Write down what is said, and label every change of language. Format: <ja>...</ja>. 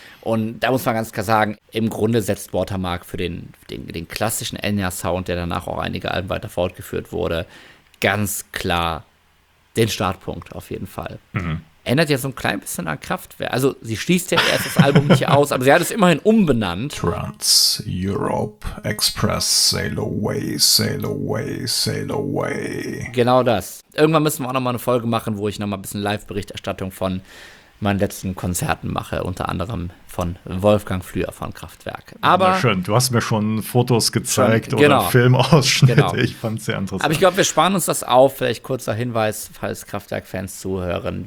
<de>Und da muss man ganz klar sagen, im Grunde setzt Watermark für den klassischen Enya-Sound, der danach auch einige Alben weiter fortgeführt wurde, ganz klar den Startpunkt auf jeden Fall. Mhm. ändert ja so ein klein bisschen an Kraftwerk. Also sie schließt ja erst das Album nicht aus, aber sie hat es immerhin umbenannt.</de> <en>Trans Europe Express, sail away, sail away, sail away.</en> <de>Genau das. Irgendwann müssen wir auch nochmal eine Folge machen, wo ich nochmal ein bisschen Live-Berichterstattung von meinen letzten Konzerten mache, unter anderem von Wolfgang Flüher von Kraftwerk. Aber schön, du hast mir schon Fotos gezeigt schon, genau, oder Filmausschnitte. Genau. Ich fand es sehr interessant. Aber ich glaube, wir sparen uns das auf. Vielleicht kurzer Hinweis, falls Kraftwerk-Fans zuhören.</de>